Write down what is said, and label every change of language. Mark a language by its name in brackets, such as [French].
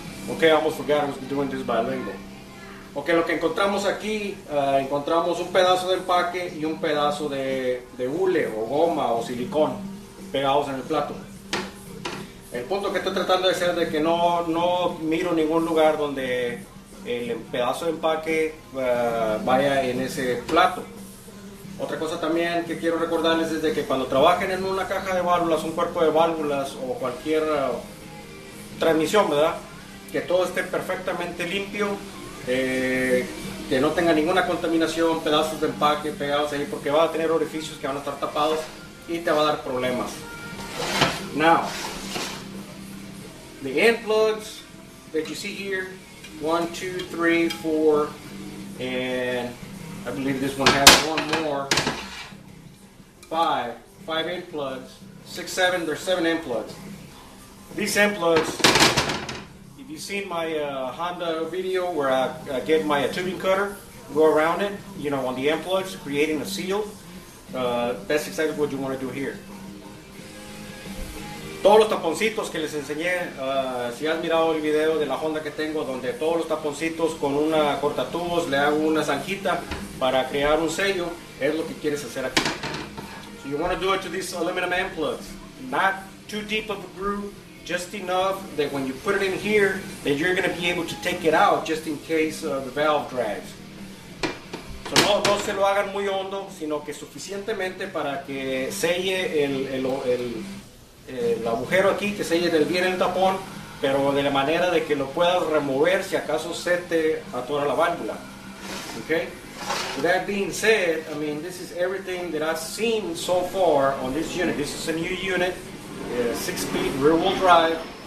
[English] Okay, I almost forgot I was doing this bilingual. [Spanish] Okay, lo que encontramos aquí, encontramos un pedazo de empaque y un pedazo de hule, o goma, o silicón, pegados en el plato. El punto que estoy tratando de hacer es de que no miro ningún lugar donde el pedazo de empaque vaya en ese plato. Otra cosa también que quiero recordarles es de que cuando trabajen en una caja de válvulas, un cuerpo de válvulas o cualquier transmisión, ¿verdad? Que todo esté perfectamente limpio, que no tenga ninguna contaminación, pedazos de empaque pegados ahí, porque va a tener orificios que van a estar tapados y te va a dar problemas. [English] Now, the end plugs that you see here, 1, 2, 3, 4, and I believe this one has one more, 5 end plugs, 6, 7, there's 7 end plugs. These end plugs, if you've seen my Honda video where I get my tubing cutter, go around it, you know, on the end plugs, creating a seal, that's exactly what you want to do here. [Spanish] Todos los taponcitos que les enseñé, si has mirado el video de la Honda que tengo, donde todos los taponcitos con una cortatubos le hago una zanjita para crear un sello, es lo que quieres hacer aquí. [English] So you want to do it to these aluminum end plugs. Not too deep of a groove, just enough that when you put it in here, that you're going to be able to take it out just in case the valve drags. [Spanish] So no se lo hagan muy hondo, sino que suficientemente para que selle el agujero aquí, que selle del bien el tapón, pero de la manera de que lo puedas remover si acaso se te atora la válvula. [English] Okay? With that being said, I mean, this is everything that I've seen so far on this unit. This is a new unit, 6-speed rear-wheel drive.